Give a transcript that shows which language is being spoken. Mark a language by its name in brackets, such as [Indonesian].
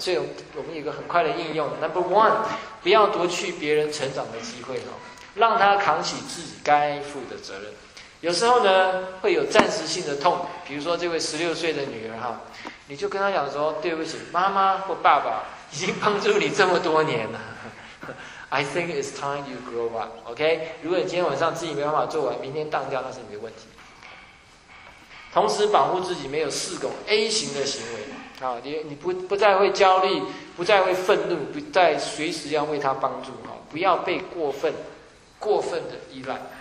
[Chinese] 所以我们有一个很快的应用 ， [English] Number one， [Chinese] 不要夺去别人成长的机会哦，让他扛起自己该负的责任。有时候呢，会有暂时性的痛，比如说这位16岁的女儿哈，你就跟他讲说，对不起，妈妈或爸爸已经帮助你这么多年了。 [English] I think it's time you grow up, OK? [Chinese] 如果你今天晚上自己没办法做完，明天当掉那是你的问题。同时保护自己没有四种 A 型的行为，啊，你不再会焦虑，不再会愤怒，不再随时要为他帮助，啊，不要被过分的依赖。